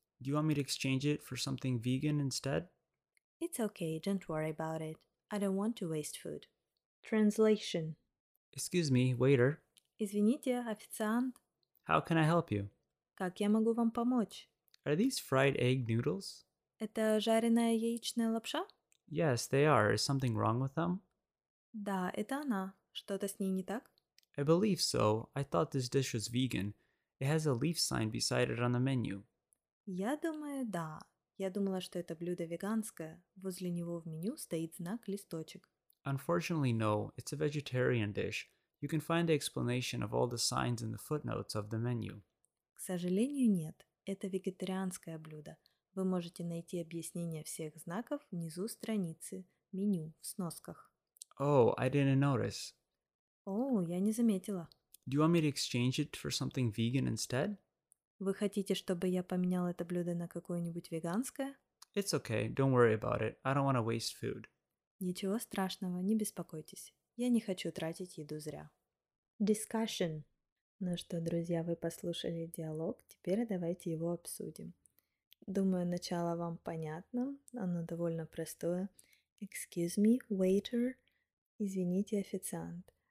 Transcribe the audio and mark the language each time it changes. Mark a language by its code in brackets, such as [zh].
[en] Do you want me to exchange it for something vegan instead? It's okay, don't worry about it. I don't want to waste food. Translation. Excuse me, waiter. [ru] Извините, официант. [en] How can I help you? [ru] Как я могу вам помочь? [en] Are these fried egg noodles? [ru] Это жареная яичная лапша? [en] Yes, they are. Is something wrong with them? [ru] Да, это она. Что-то с ней не так? [en] I believe so. I thought this dish was vegan. It has a leaf sign beside it on the menu. [ru] Я думаю, да. Я думала, что это блюдо веганское. Возле него в меню стоит знак-листочек. [en] Unfortunately, no. It's a vegetarian dish. You can find the explanation of all the signs in the footnotes of the menu. [ru] К сожалению, нет. Это вегетарианское блюдо. Вы можете найти объяснение всех знаков внизу страницы, меню, в сносках. [en] Oh, I didn't notice. [ru] Oh, я не заметила. [en] Do you want me to exchange it for something vegan instead? [ru] Вы хотите, чтобы я поменял это блюдо на какое-нибудь веганское? [en] It's okay, don't worry about it. I don't want to waste food. [ru] Ничего страшного, не беспокойтесь. Я не хочу тратить еду зря. [en] Discussion. [ru] Ну что, друзья, вы послушали диалог, теперь давайте его обсудим. Думаю, начало вам понятно, оно довольно простое. [en] Excuse me, waiter. [ru] Извините, официант.